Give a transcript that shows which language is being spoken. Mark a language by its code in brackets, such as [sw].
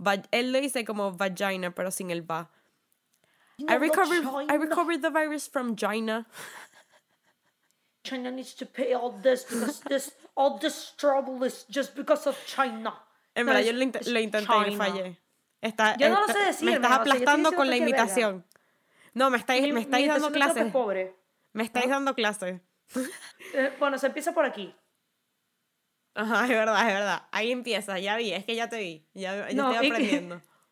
[es] Él lo dice como vagina, pero sin el va. [en] I recovered the virus from China. China needs to pay all this because this all this trouble is just because of China. [es] En verdad, yo lo intenté China. Y fallé. Está, yo no lo sé decir. Me estás aplastando, o sea, con la imitación. No, me estáis dando clases. Pobre. Me estáis dando clases. Bueno, se empieza por aquí. Ajá, es verdad. Ahí empieza, ya vi, es que ya te vi. Ya no, estoy aprendiendo.